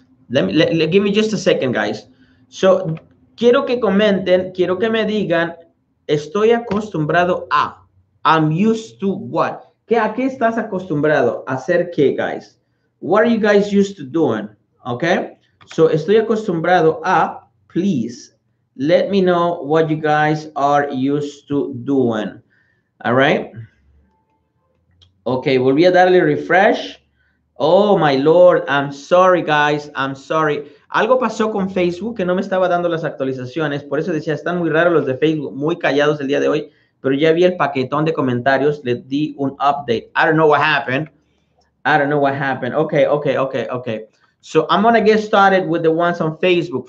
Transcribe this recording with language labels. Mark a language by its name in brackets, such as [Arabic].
[English] Give me just a second, guys. [Spanish] So, quiero que comenten, quiero que me digan, estoy acostumbrado a, [English] I'm used to what? [Spanish] ¿A qué estás acostumbrado? ¿Hacer qué, guys? [English] What are you guys used to doing? Okay? So, [Spanish] estoy acostumbrado a, [English] please, let me know what you guys are used to doing. All right? Okay, [Spanish] volví a darle refresh. [English] Oh, my Lord, I'm sorry, guys, I'm sorry. [Spanish] Algo pasó con Facebook que no me estaba dando las actualizaciones. Por eso decía, están muy raros los de Facebook, muy callados el día de hoy. Pero ya vi el paquetón de comentarios, le di un update. [English] I don't know what happened. Ok. So, I'm going to get started with the ones on Facebook.